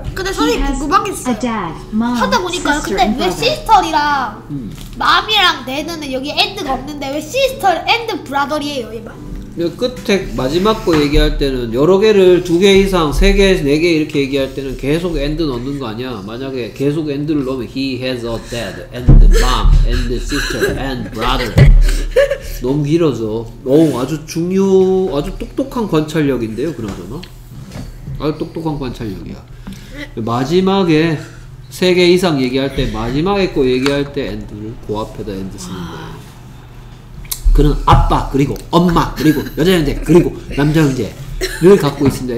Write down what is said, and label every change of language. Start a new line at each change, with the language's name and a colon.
Korean: 근데 선생님 궁금한 게 있어요.
English: Dad, mom,
Korean: 하다 보니까 근데 왜 sister이랑 mom이랑 dad는 여기 and가 없는데 왜
English: sister and brother
Korean: 이에요 얘만? 이거 끝에 마지막 거 얘기할 때는 여러 개를 두 개 이상 세 개 네 개 이렇게 얘기할 때는 계속 and 넣는 거 아니야? 만약에 계속 and를 넣으면
English: he has a dad and mom and sister and brother.
Korean: 너무 길어져. 오, 아주 중요 아주 똑똑한 관찰력인데요 그나저나. 아주 똑똑한 관찰력이야. 마지막에 3개 이상 얘기할 때 마지막에 거 얘기할 때 엔드를 그 앞에다 엔드 쓰는 거야. 그는 아빠 그리고 엄마 그리고 여자 형제 그리고 남자 형제 를 갖고 있습니다.